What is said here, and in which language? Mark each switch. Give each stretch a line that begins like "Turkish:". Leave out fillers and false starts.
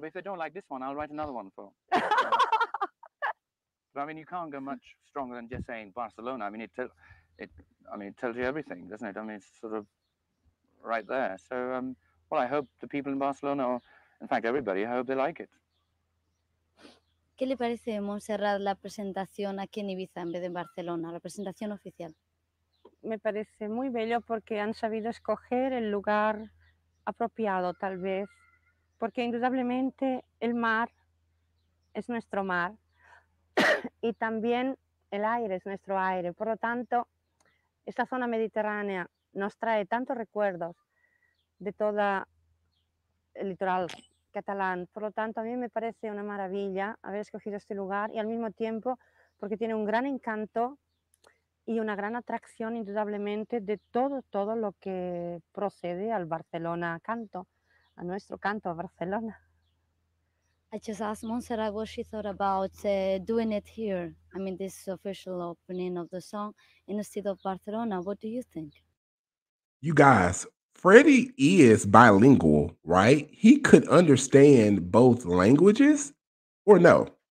English: But if they don't like this one, I'll write another one for them. But I mean, you can't go much stronger than just saying Barcelona. I mean, it tells you everything, doesn't it? I mean, it's sort of right there. So, I hope the people in Barcelona, or in fact, everybody, I hope they like it.
Spanish: ¿Qué le parece, Montserrat, la presentación aquí en Ibiza en vez de en Barcelona, la presentación oficial? Me parece muy bello porque han sabido escoger el lugar apropiado, tal vez, porque indudablemente el mar es nuestro mar y también el aire es nuestro aire. Por lo tanto, esta zona mediterránea nos trae tantos recuerdos de todo el litoral catalán. Por lo tanto, a mí me parece una maravilla haber escogido este lugar y al mismo tiempo porque tiene un gran encanto y una gran atracción indudablemente de todo lo que procede al Barcelona canto, a nuestro canto a Barcelona.
English: I just asked Montserrat what she thought about doing it here. I mean, this official opening of the song in the city of Barcelona. What do you think? You guys, Freddie is bilingual, right? He could understand both languages, or no?